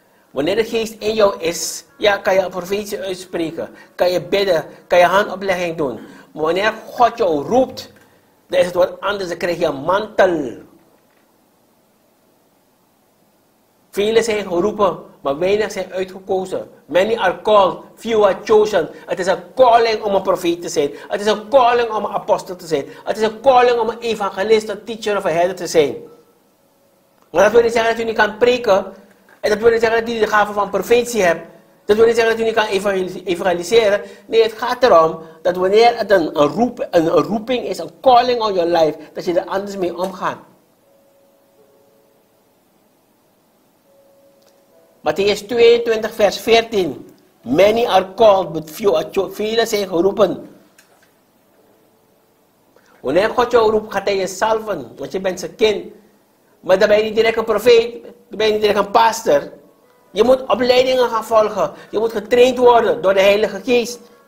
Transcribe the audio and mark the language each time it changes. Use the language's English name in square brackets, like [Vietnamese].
[Dutch] Wanneer de Geest in jou is, ja, kan je een profetie uitspreken, kan je bidden, kan je handoplegging doen. Maar wanneer God jou roept, dan is het wat anders, dan krijg je een mantel. Velen zijn geroepen, maar weinig zijn uitgekozen. [English] Many are called, few are chosen. [Dutch] Het is een calling om een profeet te zijn. Het is een calling om een apostel te zijn. Het is een calling om een evangelist, een teacher of een herder te zijn. Maar dat wil niet zeggen dat u niet kan preken. En dat wil niet zeggen dat u de gave van profetie hebt. Dat wil niet zeggen dat u niet kan evangeliseren. Nee, het gaat erom dat wanneer het een roeping is, een [English] calling on your life, [Dutch] dat je er anders mee omgaat. Matthäus 22, vers 14. [English] Many are called, but few are chosen. [Dutch] Vele zijn geroepen. Wanneer God jou roept, gaat hij je salven, want je bent zijn kind. Maar dan ben je niet direct een profeet, dan ben je niet direct een pastor. Je moet opleidingen gaan volgen. Je moet getraind worden door de Heilige Geest.